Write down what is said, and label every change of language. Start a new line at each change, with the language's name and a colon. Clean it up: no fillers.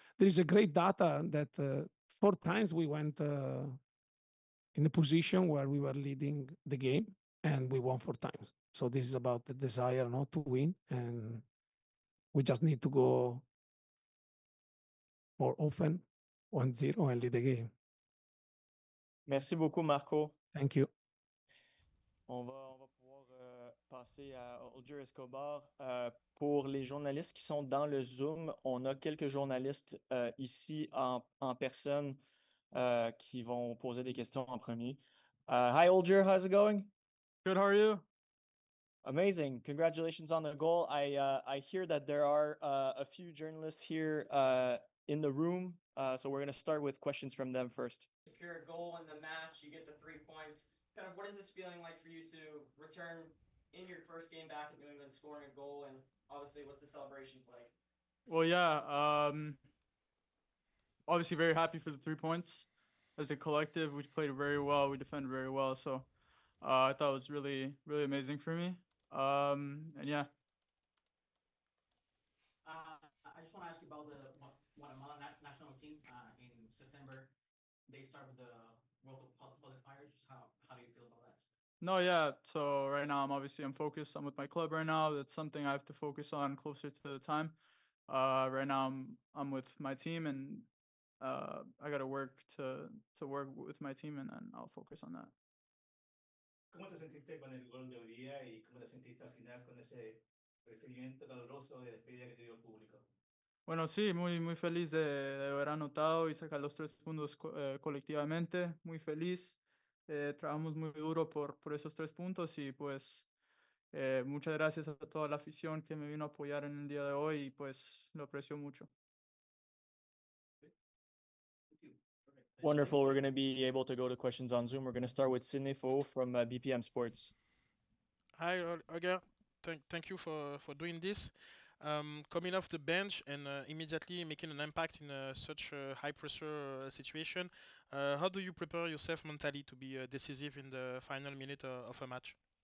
English: There is a great data that 4 times we went in a position where we were leading the game and we won 4 times. So this is about the desire not to win, and we just need to go more often 1-0 and lead the game.
French: Merci beaucoup, Marco.
English: Thank you.
French: On va pouvoir passer à Holger Escobar. Pour les journalistes qui sont dans le Zoom, on a quelques journalistes ici en personne qui vont poser des questions en premier.
English: Hi, Holger. How's it going? Good. How are you? Amazing. Congratulations on the goal. I hear that there are a few journalists here in the room. So we're going to start with questions from them first. Secure a goal in the match, you get the 3 points. Kind of, what is this feeling like for you to return in your first game back at New England, scoring a goal, and obviously, what's the celebrations like? Well, yeah, obviously very happy for the 3 points. As a collective, we played very well, we defended very well, so I thought it was really, really amazing for me, and yeah. I just want to ask you about the Guatemala national team in September. They start with the World Cup qualifiers. How do you feel about that? No, yeah. So right now, I'm focused. I'm with my club right now. That's something I have to focus on closer to the time. Right now, I'm with my team, and I got to work to work with my team, and then I'll focus on that.
Spanish: ¿Cómo te sentiste con el gol de hoy día y cómo te sentiste al final con ese recibimiento caluroso de despedida que te dio el público? Bueno, sí, muy, muy feliz de haber anotado y sacar los 3 puntos colectivamente. Muy feliz. Trabajamos muy duro por esos 3 puntos y pues muchas gracias a toda la afición que me vino a apoyar en el día de hoy y pues lo aprecio mucho.
English: Wonderful. We're going to be able to go to questions on Zoom. We're going to start with Sidney Fo from BPM Sports. Hi, Roger. Thank you for doing this. Coming off the bench and immediately making an impact in such a high-pressure situation, how do you prepare yourself mentally to be decisive in the final minute of a match?